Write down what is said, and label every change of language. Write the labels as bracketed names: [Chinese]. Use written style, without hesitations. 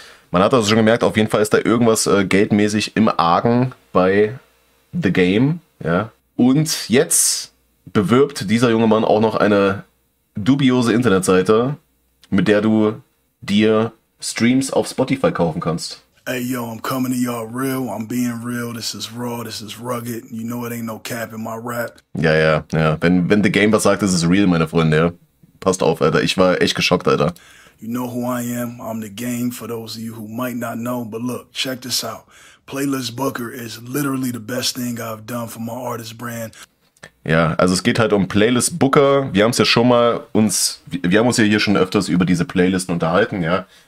[German] Man hat also schon gemerkt, auf jeden Fall ist da irgendwas geldmäßig im Argen bei The Game, ja. Und jetzt bewirbt dieser junge Mann auch noch eine dubiose Internetseite mit der du dir Streams auf Spotify kaufen kannst. [English] Hey yo, I'm coming to y'all real, I'm being real, this is raw, this is rugged, you know it ain't no cap in my rap. [German] Ja, ja, ja, wenn The Game was sagt, das ist real, meine Freunde, ja. Passt auf, Alter, ich war echt geschockt, Alter. [English] You know who I am, I'm The Game, for those of you who might not know, but look, check this out. Playlist Booker is literally the best thing I've done for my artist brand. [German] Ja, also es geht halt um Playlist Booker, wir haben uns ja hier schon öfters über diese Playlisten unterhalten, ja.